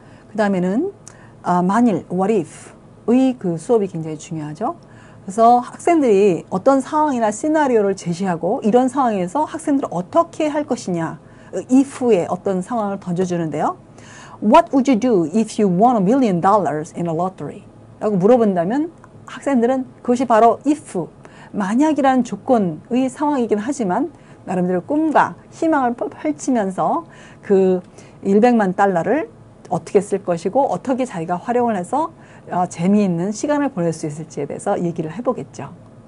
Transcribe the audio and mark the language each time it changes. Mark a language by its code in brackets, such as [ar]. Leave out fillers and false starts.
[ko] 그 다음에는 만일, what if의 그 수업이 굉장히 중요하죠. 그래서 학생들이 어떤 상황이나 시나리오를 제시하고 이런 상황에서 학생들을 어떻게 할 것이냐, if의 어떤 상황을 던져주는데요. [en] What would you do if you won $1,000,000 in a lottery? [ko] 라고 물어본다면 학생들은 그것이 바로 if, 만약이라는 조건의 상황이긴 하지만 나름대로 꿈과 희망을 펼치면서 그 100만 달러를 어떻게 쓸 것이고 어떻게 자기가 활용을 해서 재미있는 시간을 보낼 수 있을지에 대해서 얘기를 해보겠죠.